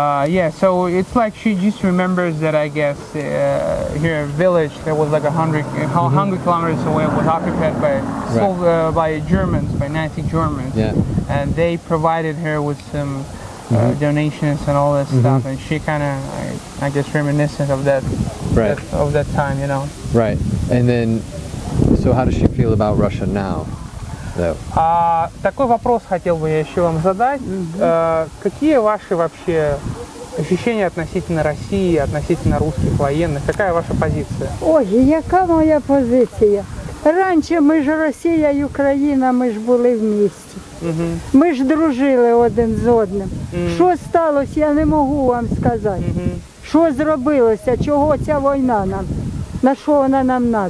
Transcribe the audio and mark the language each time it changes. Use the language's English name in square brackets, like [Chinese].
[English] Yeah, so it's like she just remembers that, I guess, her village that was like 100 kilometers away was occupied by by Germans, by Nazi Germans. Yeah. And they provided her with some mm-hmm. Donations and all that mm-hmm. stuff, and she kind of, I guess, reminiscent of that, right. Of that time, you know. Right. And then, so how does she feel about Russia now, though? [Russian] Такой вопрос хотел бы я еще вам задать. Какие ваши вообще ощущения относительно России, относительно русских военных? Какая ваша позиция? [Ukrainian] Ой, яка моя позиція? Раньше ми ж Росія і Україна, ми ж були в місті. Mm-hmm. Ми ж дружили один з одним. Mm-hmm. Що сталося, я не можу вам сказати. Mm-hmm. Що зробилося, чого ця війна нам, на що вона нам треба.